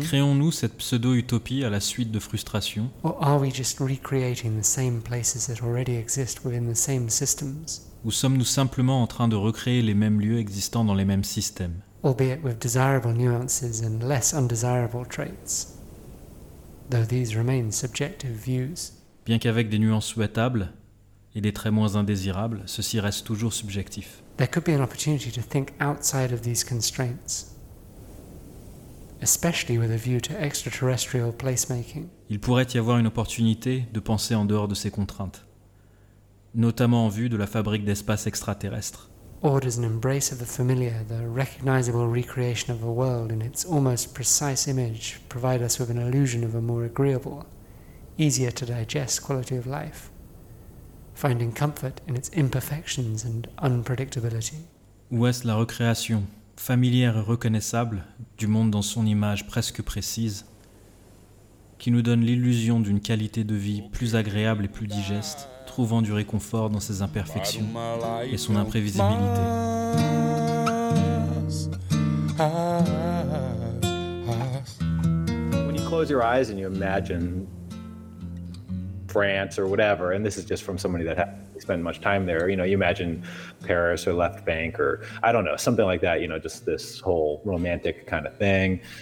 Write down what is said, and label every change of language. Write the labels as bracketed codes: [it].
[fr] Créons-nous cette pseudo-utopie à la suite de frustrations? [en] Or are we just recreating the same places that already exist within the same systems? [fr] Ou sommes-nous simplement en train de recréer les mêmes lieux existants dans les mêmes systèmes? [en] Albeit with desirable nuances and less undesirable traits, though these remain subjective views. [fr] Bien qu'avec des nuances souhaitables, et des traits moins indésirables, ceci reste toujours subjectif. [en] There could be an opportunity to think outside of these constraints, especially with a view to extraterrestrial placemaking. [fr] Il pourrait y avoir une opportunité de penser en dehors de ces contraintes, notamment en vue de la fabrique d'espaces extraterrestres. [en] Or an embrace of the familiar, the recognizable recreation of a world in its almost precise image, provide us with an illusion of a more agreeable, easier to digest quality of life, finding comfort in its imperfections and unpredictability. [fr] Ou est-ce la recréation, familière et reconnaissable, du monde dans son image presque précise, qui nous donne l'illusion d'une qualité de vie plus agréable et plus digeste, trouvant du réconfort dans ses imperfections et son imprévisibilité. [en] When you close your eyes and you imagine France or whatever, and this is just from somebody that spent much time there, you know, you imagine Paris or Left Bank or I don't know, something like that, you know, just this whole romantic kind of thing.